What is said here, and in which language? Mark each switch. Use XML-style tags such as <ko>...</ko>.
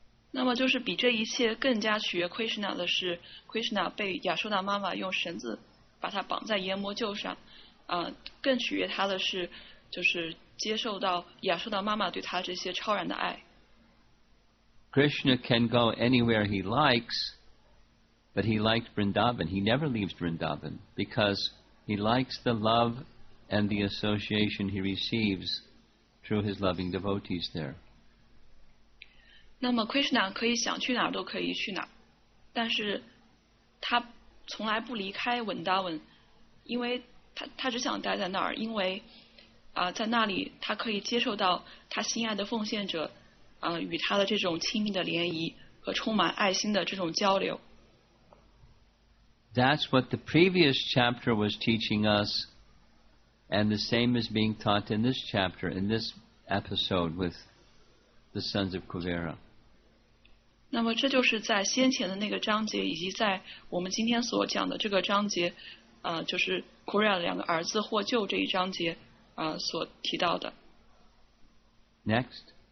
<zh>那么就是比这一切更加取悦 Krishna 的是 Krishna 被亚舒达妈妈用绳子把他绑在阎魔柩上，更取悦他的是就是接受到亚舒达妈妈对他这些超然的爱。</zh> <en>Krishna can go anywhere he likes, but he liked Vrindavan. He never leaves Vrindavan because he likes the love and the association he receives through his loving devotees there.</en> <zh>那么 Krishna 可以想去哪儿都可以去哪儿，但是他从来不离开 Vrindavan， 因为他只想待在那儿，因为在那里他可以接受到他心爱的奉献者与他的这种亲密的联谊和充满爱心的这种交流。</zh> <en>That's what the previous chapter was teaching us, and the same is being taught in this chapter, in this episode with the sons of Kuvera.</en> <zh>那么这就是在先前的那个章节，以及在我们今天所讲的这个章节，就是 Kuvera 的两个儿子获救这一章节，所提到的。</zh> <en>Next.</en>